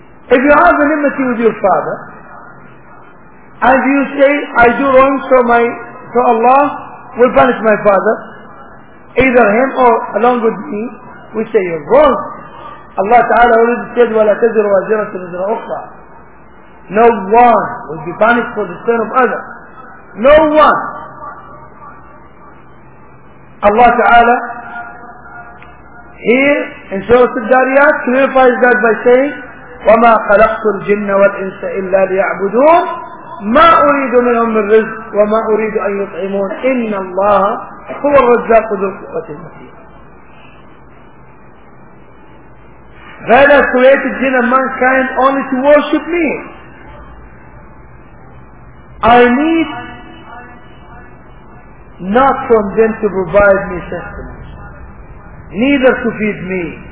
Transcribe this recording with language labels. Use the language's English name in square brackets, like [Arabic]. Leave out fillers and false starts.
[English] If you have an enmity with your father, and you say, I do wrong, so Allah will punish my father, either him or along with me, we say you're wrong. Allah Ta'ala already said, [Arabic] وَلَا تَذِرُ وَزِرَةُ وَزِرَةُ أُخْرَى. [English] No one will be punished for the sin of others. No one. Allah Ta'ala, here in Surah Al-Dariyat, clarifies that by saying, [Arabic] وَمَا خَلَقْتُ الْجِنَّ وَالْإِنسَ إِلَّا لِيَعْبُدُونَ مَا أُرِيدُ مِنْهُمْ مِنْ رِزْقٍ وَمَا أُرِيدُ أَنْ يُطْعِمُونَ إِنَّ اللَّهَ هُوَ الرَّزَّاقُ ذُو الْقُوَّةِ الْمَتِينَ. [English] That I created jinn and mankind only to worship me. I need not from them to provide me sustenance, neither to feed me.